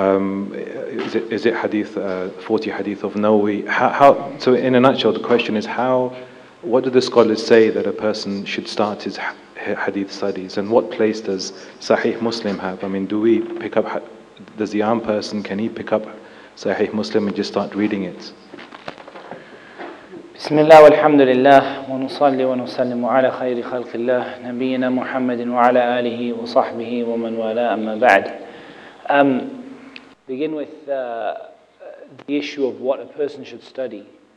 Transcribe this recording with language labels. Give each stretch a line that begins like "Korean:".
English: Is it hadith, 40 hadith of Nawawi? So in a nutshell, the question is what do the scholars say that a person should start his hadith studies, and what place does Ṣaḥīḥ Muslim have? I mean, does the Aam person, can he pick up Ṣaḥīḥ Muslim and just start reading it?
Arabic: بسم الله والحمد لله ونصلي ونسلم على خير خلق الله نبينا محمد وعلى آله وصحبه ومن والاه أما بعد.
English: Begin with the issue of what a person should study.